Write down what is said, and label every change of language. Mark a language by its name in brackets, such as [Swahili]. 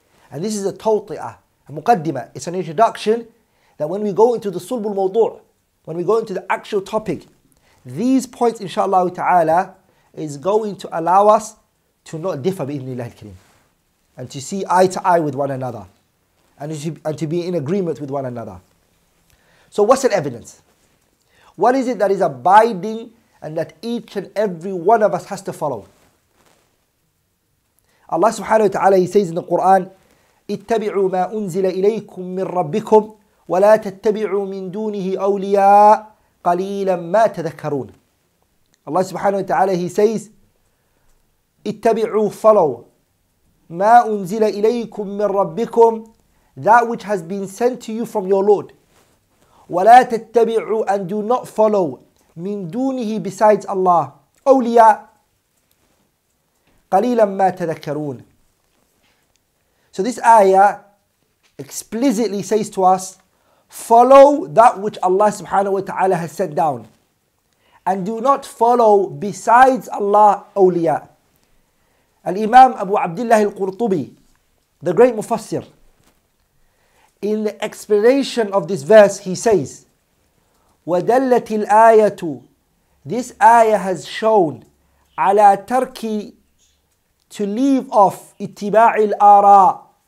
[English] And this is a tawti'ah, a muqaddimah. It's an introduction that when we go into the [Arabic] sulb al-mawdu', [English] when we go into the actual topic, these points, inshallah ta'ala, is going to allow us to not differ [Arabic] bi'idhnillahi al-kareem, [English] and to see eye to eye with one another, and to be in agreement with one another. So what's an evidence? What is it that is abiding and that each and every one of us has to follow? Allah subhanahu wa ta'ala, he says in the Quran, [Arabic] اتبعوا ما أنزل إليكم من ربكم ولا تتبعوا من دونه أولياء قليلا ما تذكرون. [English] Allah subhanahu wa ta'ala, he says, [Arabic] اتبعوا, [English] follow, [Arabic] ما أنزل إليكم من ربكم, [English] that which has been sent to you from your Lord. [Arabic] ولا تتبعوا, [English] and do not follow, [Arabic] من دونه, [English] besides Allah, [Arabic] أولياء قليلا ما تذكرون. [English] So this ayah explicitly says to us, follow that which Allah subhanahu wa ta'ala has set down. And do not follow besides Allah awliya. Al-Imam Abu Abdullah al-Qurtubi, the great Mufassir, in the explanation of this verse, he says, [Arabic] وَدَلَّتِ الْآيَةُ [English] This ayah has shown [Arabic] عَلَى تَرْكِ [English] To leave off [Arabic] اتِّبَاعِ الْآرَاء